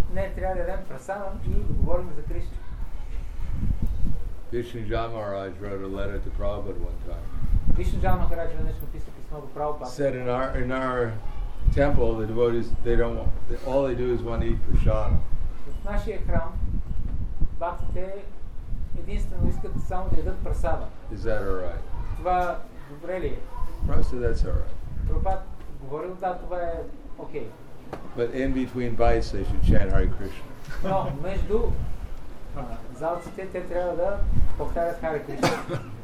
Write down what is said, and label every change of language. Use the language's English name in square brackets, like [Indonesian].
[Bulgarian] Не, трябва да ядем прасадам и да говорим за Кришна. [English] Вишнуджа Махарадж wrote a letter to Prabhupada one time. [Bulgarian] Вишнуджа Махарадж веднъж написал писмо до Прабхупада. [English] Said in our temple the devotees all they do is want to eat prasadam. [Bulgarian] В нашия храм бхактите единствено искат само да ядат прасада. [English] Is that all right? [Bulgarian] Това добре ли е? Просто [English] that's all right. [Bulgarian] Прабхупад говорил да това е окей. [English] But in between bites, they should chant Hare Krishna. [Bulgarian] No, между залците те трябва да повтарят Hare Krishna.